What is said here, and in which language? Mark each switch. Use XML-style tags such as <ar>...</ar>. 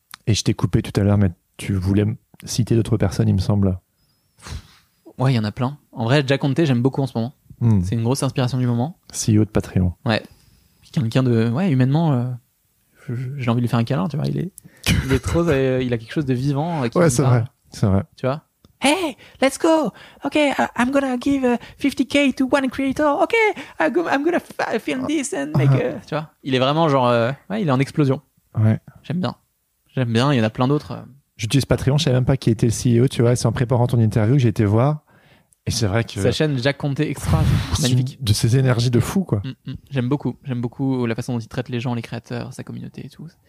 <fr>Et je t'ai coupé tout à l'heure, mais tu voulais citer d'autres personnes, il me semble. Ouais, il y en a plein. En vrai, Jack Conte, j'aime beaucoup en ce moment. C'est une grosse inspiration du moment. CEO de Patreon. Ouais. Puis quelqu'un de... Ouais, humainement, j'ai envie de lui faire un câlin, tu vois. Il est trop... il a quelque chose de vivant. Ouais, c'est vrai. C'est vrai. Tu vois.</fr> <en>Hey, let's go. Ok, I'm gonna give 50k to one creator. Ok, I'm gonna film this and make...</en> <fr>Tu vois. Il est vraiment genre... ouais, il est en explosion. Ouais. J'aime bien. Il y en a plein d'autres... J'utilise Patreon, je savais même pas qui était le CEO, tu vois. C'est en préparant ton interview que j'ai été voir. Et c'est vrai que. Sa chaîne, Jack Conte Extra, magnifique. De ses énergies de fou, quoi. J'aime beaucoup la façon dont il traite les gens, les créateurs, sa communauté et tout.</fr>